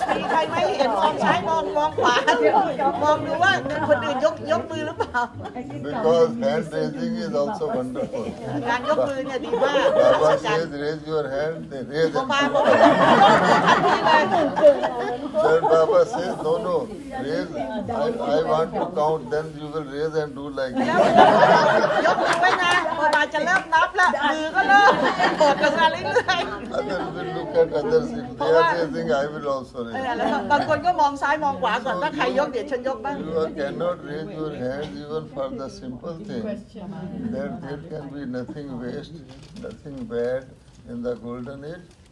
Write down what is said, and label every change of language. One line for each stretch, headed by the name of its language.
Thai: ใครไม่เห็นมองซ้ายมองขวามองดูว่าคนอื่นยกมือหรือเปล่า
English: Because hand raising is also wonderful.
Thai: การยกมือเนี่ยดีมาก
English: Baba says raise your hand then raise Sir Baba says no no raise I want to count then you will raise and do like
Thai: ยกมือไปนะBaba จะเริ่มนับละมือก็เริ่ม
English: Others will look at others. If they are raising, I will also raise. You cannot raise your hands even for the simple thing. That there can be nothing waste, nothing bad in the golden age.